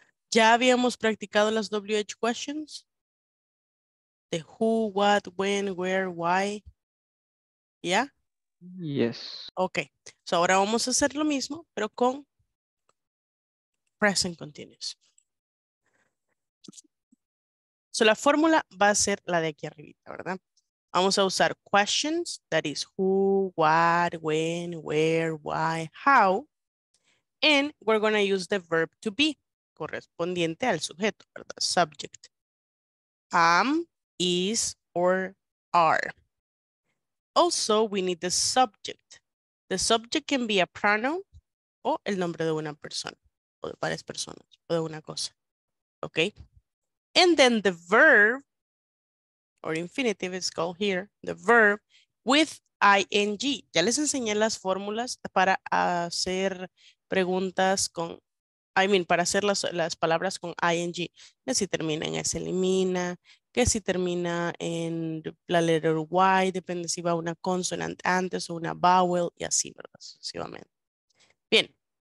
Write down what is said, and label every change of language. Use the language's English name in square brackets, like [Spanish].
[Spanish] ¿Ya habíamos practicado las [English] WH questions? The who, what, when, where, why. ¿Yeah? Yes. Ok. [Spanish] So ahora vamos a hacer lo mismo, pero con present continuous. So la fórmula va a ser la de aquí arribita, ¿verdad? Vamos a usar [English] questions, that is who, what, when, where, why, how. And we're going to use the verb to be, [Spanish] correspondiente al sujeto, ¿verdad? [English] Subject. Am, is, or are. Also, we need the subject. The subject can be a pronoun [Spanish] o el nombre de una persona, o de varias personas, o de una cosa. Okay? [English] And then the verb, or infinitive is called here, the verb with ing. [Spanish] Ya les enseñé las fórmulas para hacer preguntas con, [English] I mean, [Spanish] para hacer las palabras con ing. Que si termina en se elimina, que si termina en la letter Y, depende si va una consonant antes o una vowel, y así, ¿verdad? Sucesivamente. Bien.